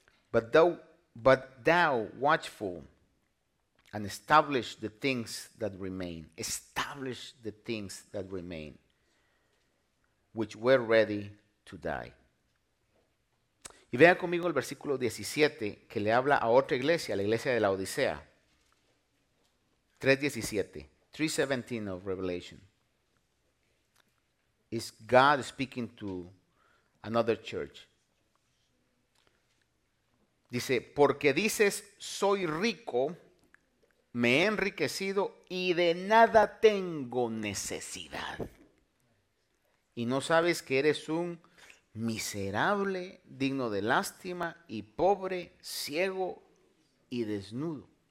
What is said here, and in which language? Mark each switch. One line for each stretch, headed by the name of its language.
English: But thou watchful, and establish the things that remain. Establish the things that remain, which were ready to die.
Spanish: Y vean conmigo el versículo 17, que le habla a otra iglesia, a la iglesia de la Odisea.
English: 3:17 of Revelation. Is God speaking to another church.
Spanish: Dice, porque dices, soy rico, me he enriquecido y de nada tengo necesidad. Y no sabes que eres un miserable, digno de lástima y pobre, ciego y desnudo.